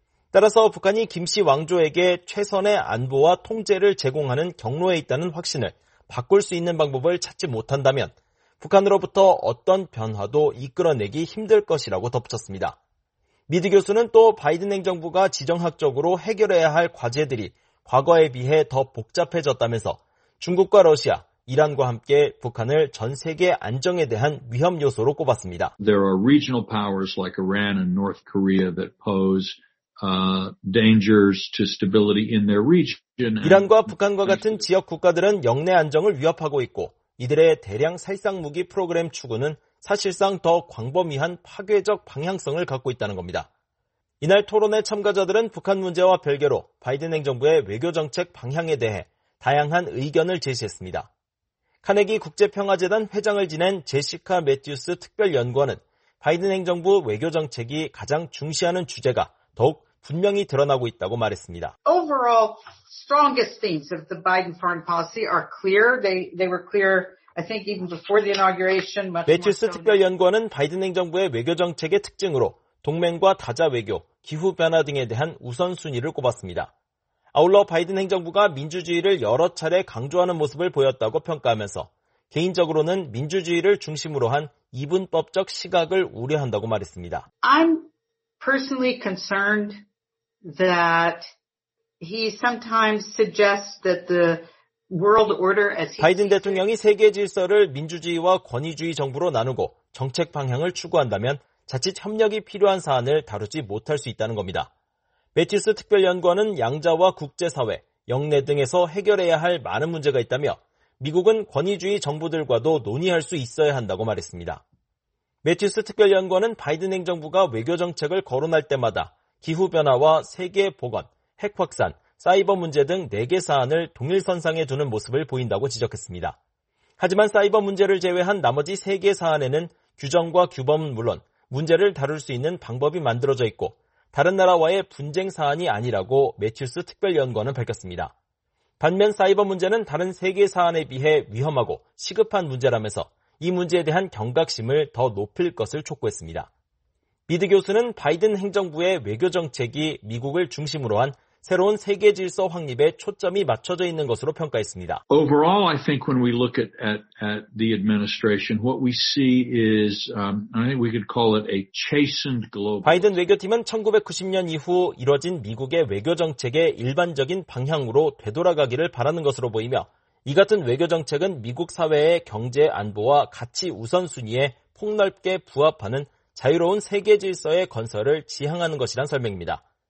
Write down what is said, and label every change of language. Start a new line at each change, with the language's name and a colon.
Korean: 따라서 북한이 김씨 왕조에게 최선의 안보와 통제를 제공하는 경로에 있다는 확신을 바꿀 수 있는 방법을 찾지 못한다면 북한으로부터 어떤 변화도 이끌어내기 힘들 것이라고 덧붙였습니다. 미드 교수는 또 바이든 행정부가 지정학적으로 해결해야 할 과제들이 과거에 비해 더 복잡해졌다면서 중국과 러시아, 이란과 함께 북한을 전 세계 안정에 대한 위험 요소로 꼽았습니다.
English: There are regional powers like Iran and North Korea that pose dangers to stability in their region.
Korean: 이란과 북한과 같은 지역 국가들은 영내 안정을 위협하고 있고 이들의 대량 살상 무기 프로그램 추구는 사실상 더 광범위한 파괴적 방향성을 갖고 있다는 겁니다. 이날 토론회 참가자들은 북한 문제와 별개로 바이든 행정부의 외교정책 방향에 대해 다양한 의견을 제시했습니다. 카네기 국제평화재단 회장을 지낸 제시카 매튜스 특별연구원은 바이든 행정부 외교정책이 가장 중시하는 주제가 더욱 분명히 드러나고 있다고 말했습니다.
English: Overall, strongest themes of the Biden foreign policy are clear. They were clear. I think even before the inauguration.
Korean: 매튜스 특별연구원은 바이든 행정부의 외교정책의 특징으로 동맹과 다자 외교, 기후 변화 등에 대한 우선순위를 꼽았습니다. 아울러 바이든 행정부가 민주주의를 여러 차례 강조하는 모습을 보였다고 평가하면서 개인적으로는 민주주의를 중심으로 한 이분법적 시각을 우려한다고 말했습니다.
English: I'm personally concerned that he sometimes suggests that the world order as he
Korean: 바이든 대통령이 세계 질서를 민주주의와 권위주의 정부로 나누고 정책 방향을 추구한다면 자칫 협력이 필요한 사안을 다루지 못할 수 있다는 겁니다. 매튜스 특별연구원은 양자와 국제사회, 영내 등에서 해결해야 할 많은 문제가 있다며 미국은 권위주의 정부들과도 논의할 수 있어야 한다고 말했습니다. 매튜스 특별연구원은 바이든 행정부가 외교정책을 거론할 때마다 기후변화와 세계보건, 핵확산, 사이버 문제 등 4개 사안을 동일선상에 두는 모습을 보인다고 지적했습니다. 하지만 사이버 문제를 제외한 나머지 3개 사안에는 규정과 규범은 물론 문제를 다룰 수 있는 방법이 만들어져 있고 다른 나라와의 분쟁 사안이 아니라고 매튜스 특별연구원은 밝혔습니다. 반면 사이버 문제는 다른 3개 사안에 비해 위험하고 시급한 문제라면서 이 문제에 대한 경각심을 더 높일 것을 촉구했습니다. 미드 교수는 바이든 행정부의 외교 정책이 미국을 중심으로 한 새로운 세계 질서 확립에 초점이 맞춰져 있는 것으로 평가했습니다.
English: Overall, I think when we look at the administration, what we see is I think we could call it a chastened global.
Korean: 바이든 외교팀은 1990년 이후 이뤄진 미국의 외교 정책의 일반적인 방향으로 되돌아가기를 바라는 것으로 보이며 이 같은 외교 정책은 미국 사회의 경제 안보와 가치 우선순위에 폭넓게 부합하는 자유로운 세계 질서의 건설을 지향하는 것이란 설명입니다.